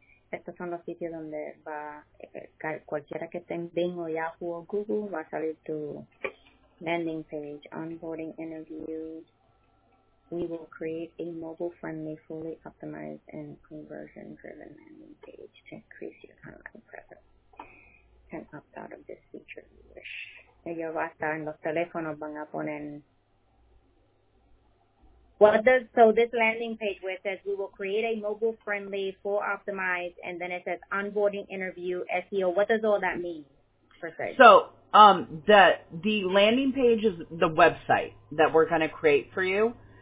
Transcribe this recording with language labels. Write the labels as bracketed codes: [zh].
[es] Estos son los sitios donde va cualquiera que tenga Bing o Yahoo o Google va a salir tu landing page, onboarding interview. [en] We will create a mobile-friendly, fully optimized, and conversion-driven landing page to increase your online presence. You can opt out of this feature if you wish. [es] Ellos va a estar en los teléfonos, van a poner... [en] So this landing page where it says, we will create a mobile-friendly, full optimized, and then it says onboarding interview, SEO. What does all that mean, per se? So the landing page is the website that we're going to create for you.